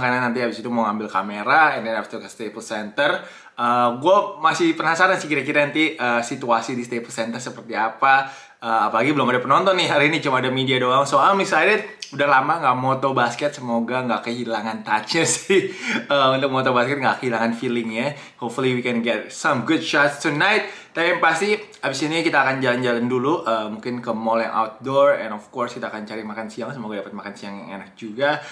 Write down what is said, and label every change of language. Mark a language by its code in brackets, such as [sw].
[id] Karena nanti abis itu mau ngambil kamera. [en] And then after [id] ke Staples Center. Gue masih penasaran sih kira-kira nanti situasi di Staples Center seperti apa. Apalagi belum ada penonton nih hari ini. Cuma ada media doang. [en] So I'm excited. [id] Udah lama gak moto basket. Semoga gak kehilangan touch-nya sih. Untuk moto basket gak kehilangan feeling-nya. [en] Hopefully we can get some good shots tonight. [id] Tapi yang pasti, abis ini kita akan jalan-jalan dulu, mungkin ke mall yang outdoor, [en] and of course [id] kita akan cari makan siang, semoga dapat makan siang yang enak juga.